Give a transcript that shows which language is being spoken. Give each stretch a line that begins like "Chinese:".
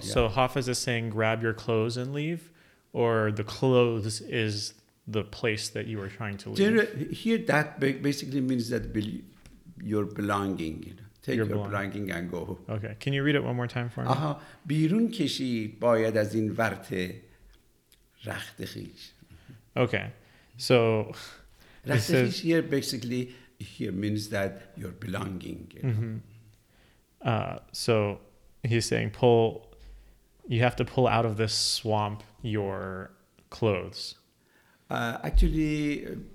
English: So Hafez is saying grab your clothes and leave, or the clothes is the place that you are trying to leave. Here that basically means that your belonging, you know, take your belonging and go. Okay, can you read it one more time for me?
Persian: بیرون کشید باید از این ورطه رخت خیش.
English: Okay, so Rakhtekhish here basically here means that your belonging. You know? Mm-hmm. So he's saying you have to pull out of this swamp your clothes. Actually,